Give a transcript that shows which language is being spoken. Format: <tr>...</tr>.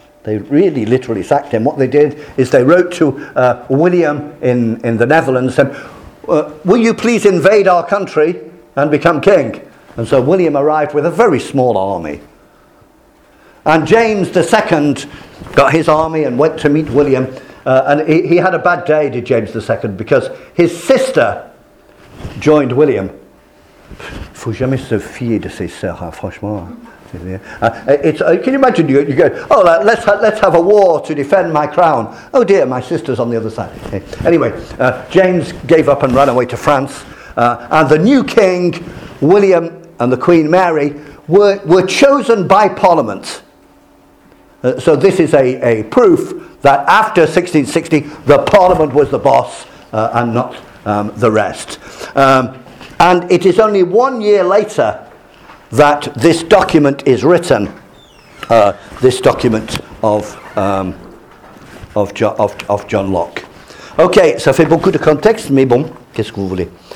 <en>They really literally sacked him. What they did is they wrote to William in the Netherlands and said, will you please invade our country and become king? And so William arrived with a very small army. And James II got his army and went to meet William. And he had a bad day, did James II, because his sister joined William.</en> <fr>Faut jamais se fier de ses sœurs, franchement.</fr> <en>Can you imagine, you go, oh, let's have a war to defend my crown. Oh dear, my sister's on the other side. Okay. Anyway, James gave up and ran away to France. And the new king, William, and the Queen Mary, were chosen by Parliament. So this is a proof that after 1660, the Parliament was the boss and not the rest. And it is only 1 year later that this document is written, this document of John Locke.</en> <fr>Okay, ça fait beaucoup de contexte, mais bon, qu'est-ce que vous voulez?</fr>